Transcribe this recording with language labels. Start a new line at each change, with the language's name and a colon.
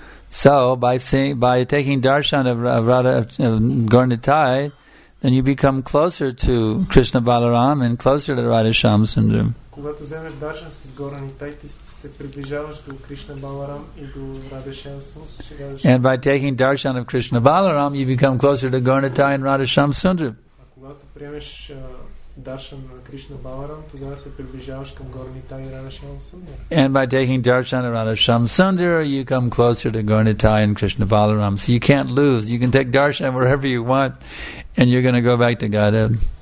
English: So by taking darshan of Radha of Gornatai, then you become closer to Krishna Balaram and closer to Radha Shyama Sundara.
Bulgarian: Когато вземеш даршан с Горанитай, ти се приближаваш до Кришна Баларам и до Радха Шама Сундара.
English: And by taking darshan of Krishna Balaram, you become closer to Gornatai and Radha Shyama Sundara.
Bulgarian: А когато приемеш даршан на Кришна Баларам, тогава се приближаваш към Горанитай и Радха Шама Сундара.
English: And by taking darshan of Radha Shama Sundara, you come closer to Gornatai and Krishna Balaram. So you can't lose. You can take darshan wherever you want, and you're going to go back to Godhead.